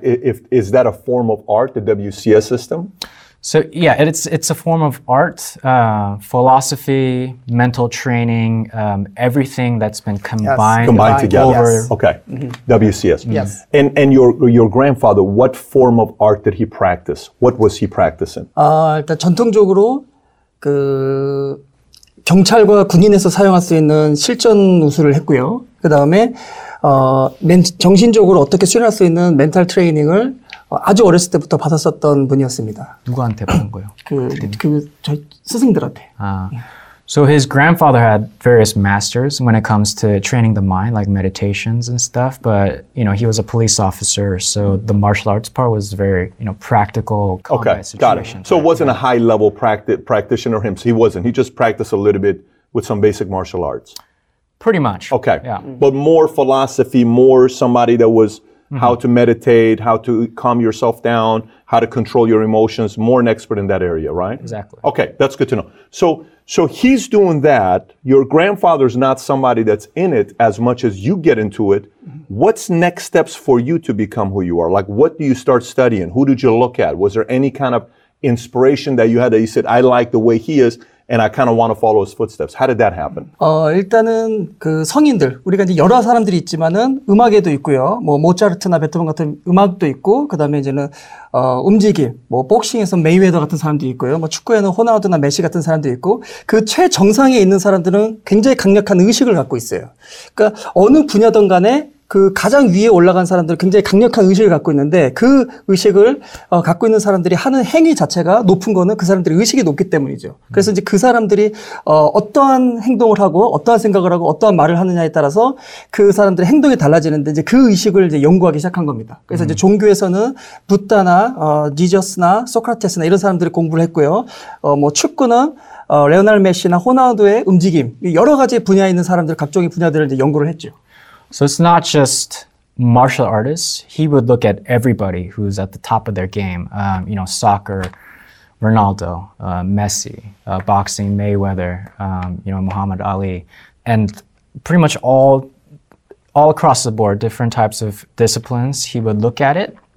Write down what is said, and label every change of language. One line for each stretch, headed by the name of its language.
English: Is that a form of art, the WCS system? So yeah, it's a form of art, philosophy, mental training, everything that's been combined together. Over. Yes. Okay, mm-hmm. WCS. Yes. And your grandfather, what form of art did he practice? What was he practicing?
Korean: 일단 전통적으로 그 경찰과 군인에서 사용할 수 있는 실전 우수를 했고요. 그 다음에 정신적으로 어떻게 수련할 수 있는 멘탈 트레이닝을 아주 어렸을 때부터 받았었던 분이었습니다. 누구한테 받은 거예요? 저희 스승들한테.
English: So his grandfather had various masters when it comes to training the mind, like meditations and stuff. But, you know, he was a police officer. So the martial arts part was very, you know, practical. Okay, situation. Got it. So it wasn't a high level practitioner himself. He wasn't. He just practiced a little bit with some basic martial arts. Pretty much. Okay. Yeah. But more philosophy, more somebody that was mm-hmm. how to meditate, how to calm yourself down, how to control your emotions, more an expert in that area, right? Exactly. Okay, that's good to know. So he's doing that. Your grandfather's not somebody that's in it as much as you get into it. What's next steps for you to become who you are? Like, what do you start studying? Who did you look at? Was there any kind of inspiration that you had that you said, I like the way he is, and I kind of want to follow his footsteps. How did that happen?
Korean: 일단은 그 성인들 우리가 이제 여러 사람들이 있지만은 음악에도 있고요. 뭐 모차르트나 베토벤 같은 음악도 있고 그다음에 이제는 움직임 뭐 복싱에서 메이웨더 같은 사람도 있고요. 뭐 축구에는 호날두나 메시 같은 사람도 있고 그 최정상에 있는 사람들은 굉장히 강력한 의식을 갖고 있어요. 그러니까 어느 분야든 간에 그 가장 위에 올라간 사람들은 굉장히 강력한 의식을 갖고 있는데 그 의식을 갖고 있는 사람들이 하는 행위 자체가 높은 거는 그 사람들의 의식이 높기 때문이죠. 그래서 이제 그 사람들이 어떠한 행동을 하고 어떠한 생각을 하고 어떠한 말을 하느냐에 따라서 그 사람들의 행동이 달라지는데 이제 그 의식을 이제 연구하기 시작한 겁니다. 그래서 이제 종교에서는 부다나 니저스나 소크라테스나 이런 사람들을 공부를 했고요. 뭐 축구는 레오날 메시나 호나우두의 움직임 여러 가지 분야에 있는 사람들 각종의 분야들을 이제 연구를 했죠.
English: So it's not just martial artists. He would look at everybody who's at the top of their game. You know, soccer, Ronaldo, Messi, boxing, Mayweather, you know, Muhammad Ali, and pretty much all across the board, different types of disciplines, he would look at it.